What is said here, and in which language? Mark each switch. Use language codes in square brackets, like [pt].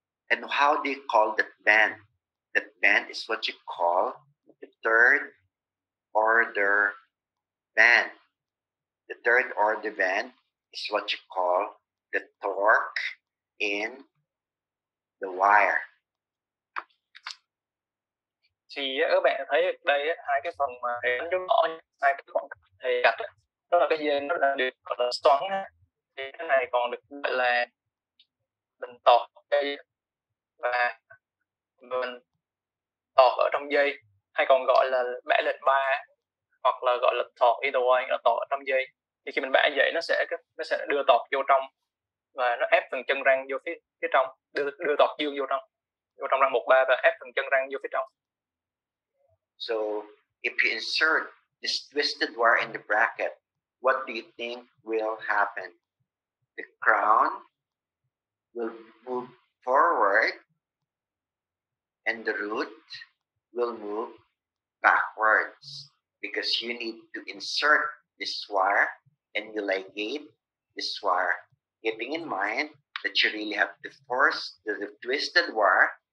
[en] And how do you call that bend? That bend is what you call the third order bend. The third order bend is what you call the torque in the wire. [vi] Thì các bạn thấy đây hai cái phần mà thầy đánh dấu rõ, hai cái khoảng cách thầy gạch đó là cái dây nó đã được gọi là xoắn, thì cái này còn được gọi là mình tọt dây và mình tọt ở trong dây, hay còn gọi là bẻ lệnh ba hoặc là gọi là tọt [en] either way, [vi] là tọt ở trong dây. Thì khi mình bẻ dây nó sẽ đưa tọt vô trong và nó ép phần chân răng vô phía trong, đưa tọt dương vô trong răng 1-3 và ép phần chân răng vô phía trong. [en] So if you insert this twisted wire in the bracket, what do you think will happen? The crown will move forward and the root will move backwards because you need to insert this wire and you ligate this wire, keeping in mind that you really have to force the twisted wire